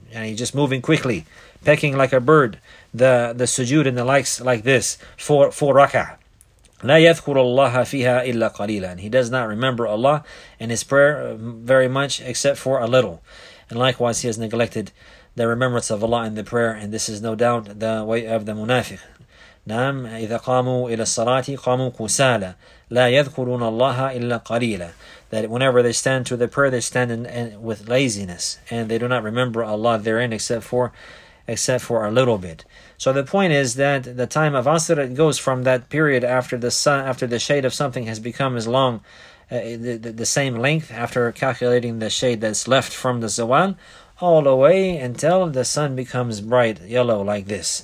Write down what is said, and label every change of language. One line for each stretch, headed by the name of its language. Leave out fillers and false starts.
English: And he's just moving quickly, pecking like a bird, the sujood and the likes like this, for rak'ah.
Arabic: لَا يَذْكُرُ اللَّهَ فِيهَا إِلَّا قَلِيلًا.
English: And he does not remember Allah in his prayer very much, except for a little. And likewise, he has neglected the remembrance of Allah in the prayer. And this is no doubt the way of the munafiq.
Arabic: نعم إذا قاموا إلى الصلاة قاموا كسالى لا يذكرون الله إلا قليلا.
English: That whenever they stand to the prayer, they stand in with laziness, and they do not remember Allah therein except for a little bit. So the point is that the time of Asr goes from that period after the sun, after the shade of something has become as long, the same length, after calculating the shade that's left from the zawal, all the way until the sun becomes bright yellow like this.